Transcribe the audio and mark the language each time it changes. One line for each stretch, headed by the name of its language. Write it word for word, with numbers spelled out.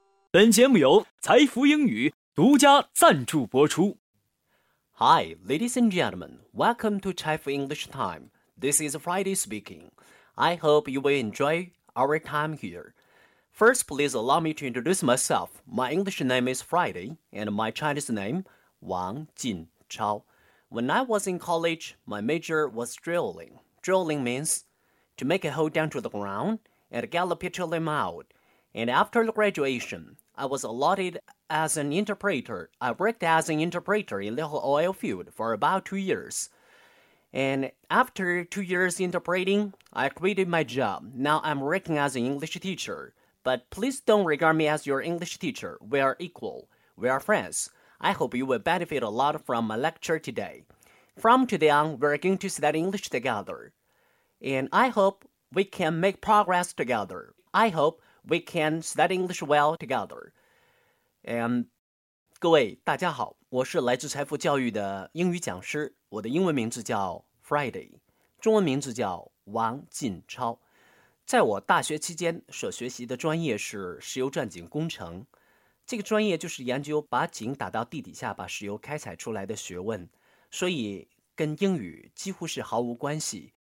Chinese: 本节目由财福英语独家赞助播出。
English: Hi, ladies and gentlemen, welcome to Chai Fu English Time. This is Friday speaking. I hope you will enjoy our time here. First, please allow me to introduce myself. My English name is Friday, and my Chinese name, Wang Jin Chao. When I was in college, my major was drilling. Drilling means to make a hole down to the ground and gallop your limb out. And after graduation, I was allotted as an interpreter. I worked as an interpreter in the oil field for about two years. And after two years interpreting, I quitted my job. Now I'm working as an English teacher. But please don't regard me as your English teacher. We are equal. We are friends. I hope you will benefit a lot from my lecture today. From today on, we're going to study English together. And I hope we can make progress together. I hope... We can study English well together.
Chinese: And 各位大家好，我是来自财富教育的英语讲师，我的英文名字叫 Friday， 中文名字叫王进超。在我大学期间所学习的专业是石油钻井工程，这个专业就是研究把井打到地底下把石油开采出来的学问，所以跟英语几乎是毫无关系。